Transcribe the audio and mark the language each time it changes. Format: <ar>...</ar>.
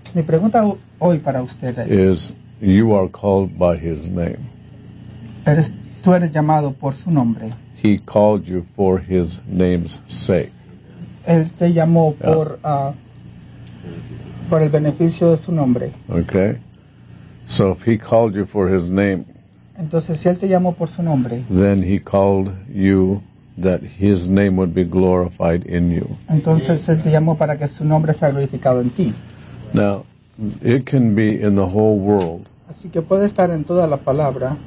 <es>Mi pregunta hoy para usted es,</es> <en>is, you are called by his name.</en> <es>Eres, tú eres llamado por su nombre.</es> <en>He called you for his name's sake.</en> <es>Él te llamó por por el beneficio de su nombre.</es> <en>Okay. So if he called you for his name.</en> <es>Entonces si él te llamó por su nombre.</es> <en>Then he called you that his name would be glorified in you.</en> <es>Entonces él te llamó para que su nombre sea glorificado en ti.</es> <en>Now, it can be in the whole world.</en> <es>Así que puede estar en toda la palabra.</es>